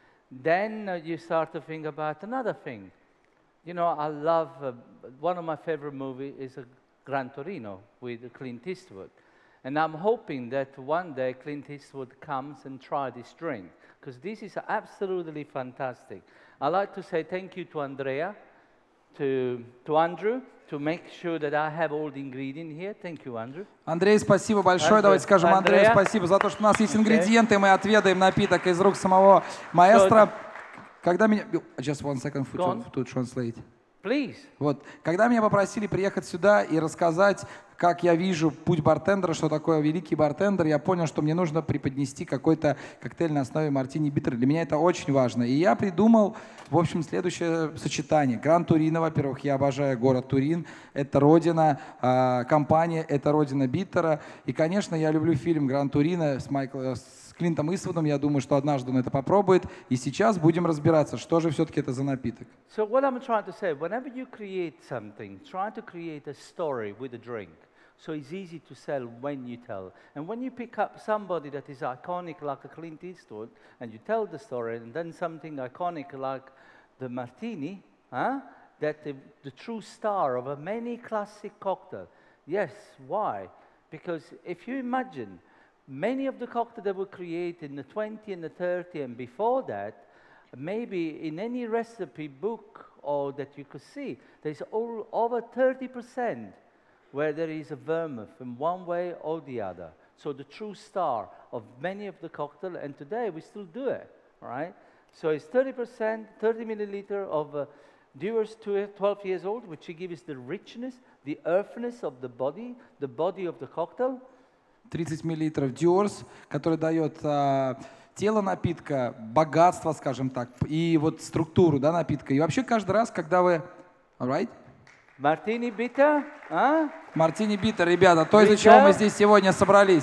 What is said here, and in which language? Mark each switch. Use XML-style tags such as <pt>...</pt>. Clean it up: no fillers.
<en>Then you start to think about another thing. You know, I love, one of my favorite movies is Gran Torino with Clint Eastwood. And I'm hoping that one day Clint Eastwood comes and try this drink, because this is absolutely fantastic. I'd like to say thank you to Andrea, to Andrew, to make sure that I have all the ingredients here. Thank you, Andrew.</en> <ru>Андрей, спасибо большое. Andrew, давайте скажем Андрею спасибо за то, что у нас есть ингредиенты, okay. Мы отведаем напиток из рук самого маэстро. So, когда меня...</ru> <en>Just one second to translate. Please.</en> <ru>Вот. Когда меня попросили приехать сюда и рассказать, как я вижу путь бартендера, что такое великий бартендер, я понял, что мне нужно преподнести какой-то коктейль на основе мартини биттер. Для меня это очень важно. И я придумал, в общем, следующее сочетание. Гран Турино, во-первых, я обожаю город Турин. Это родина компании, это родина биттера. И, конечно, я люблю фильм Гран Турино с Майклом... Клинтом Иствудом, я думаю, что однажды он это попробует. И сейчас будем разбираться, что же все-таки это за напиток.</ru> <en>So what I'm trying to say, whenever you create something, try to create a story with a drink. So it's easy to sell when you tell. And when you pick up somebody that is iconic like a Clint Eastwood, and you tell the story, and then something iconic like the Martini, huh? That the true star of a many classic cocktail. Yes, why? Because if you imagine... Many of the cocktails that were created in the 20s and the 30s and before that, maybe in any recipe book or that you could see, there's all over 30% where there is a vermouth in one way or the other. So the true star of many of the cocktails, and today we still do it, right? So it's 30%, 30 milliliters of Dewars 12 years old, which gives the richness, the earthiness of the body of the cocktail.</en> <ru>30 миллилитров Dior's, который дает тело напитка, богатство, скажем так, и вот структуру, да, напитка. И вообще каждый раз, когда вы...</ru> <en>Alright?</en> <ru>Martini bitter, а? Martini bitter, ребята, то, bitter, из-за чего мы здесь сегодня собрались.</ru>